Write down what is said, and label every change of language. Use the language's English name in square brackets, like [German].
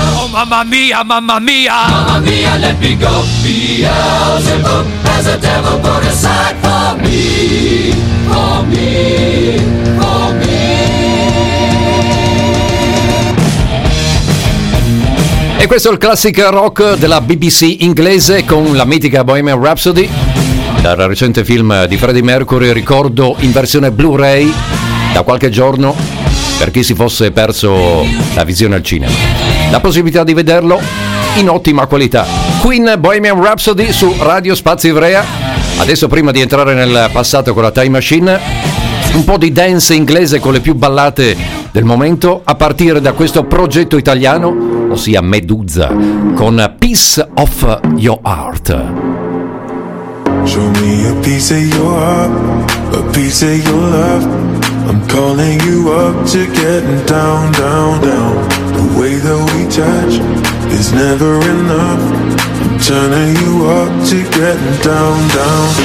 [English] mamma mia, mamma mia, let me go. Beelzebub has a devil put aside for me, for me, for me. [Italian] E questo è il classic rock della BBC inglese con la mitica Bohemian Rhapsody, dal recente film di Freddie Mercury, ricordo in versione Blu-ray da qualche giorno per chi si fosse perso la visione al cinema. La possibilità di vederlo in ottima qualità. Queen Bohemian Rhapsody su Radio Spazio Ivrea. Adesso, prima di entrare nel passato con la Time Machine, un po' di dance inglese con le più ballate del momento, a partire da questo progetto italiano, ossia Meduza, con Piece of Your Heart. [English] Show me a piece of your heart, a piece of your love. I'm calling you up to get down, down, down. The way that we touch is never enough. I'm turning you up to get down, down.